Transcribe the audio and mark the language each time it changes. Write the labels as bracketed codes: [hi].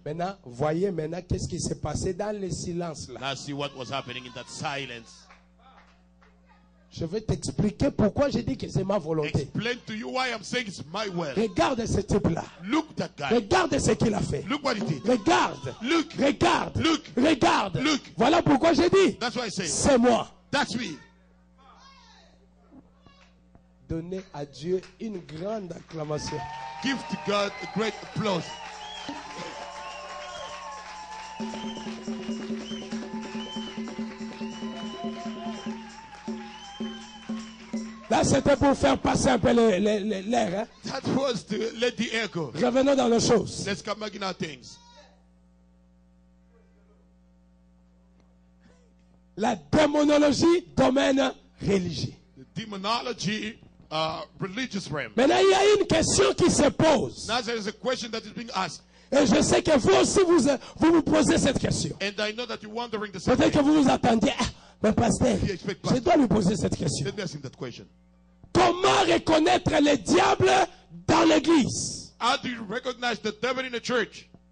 [fr] Maintenant, voyez maintenant qu'est-ce qui s'est passé dans le silence là. [en] Now see what was happening in that silence. [fr] Je vais t'expliquer pourquoi j'ai dit que c'est ma volonté. [en] Explain to you why I'm saying it's my will. [fr] Regarde ce type là. [en] Look that guy. [fr] Regarde ce qu'il a fait. [en] Look what he did. [fr] Regarde. [en] Look. [fr] Regarde. [en] Look. [fr] Regarde. [en] Look. [fr] Voilà pourquoi j'ai dit. [en] That's why I say. [fr] C'est moi. [en] That's me. [fr] Donnez à Dieu une grande acclamation. [en] Give to God a great applause. [fr] Là, c'était pour faire passer un peu l'air. Hein? [en] That was to let the air go. [fr] Revenons dans les choses. [en] Let's come back in our things. [fr] La démonologie domaine religieux. [en] The demonology, religious realm. [fr] Maintenant, il y a une question qui se pose. [en] Now there is a question that is being asked. [fr] Et je sais que vous aussi, vous vous posez cette question. [en] And I know that you're wondering the same [fr] peut-être [en] thing. [fr] Que vous vous attendiez. Mais pasteur, je dois lui poser cette question. [en] Let me ask him that question. [fr] Comment reconnaître les diables dans l'église? [en] How do you recognize the devil in the church?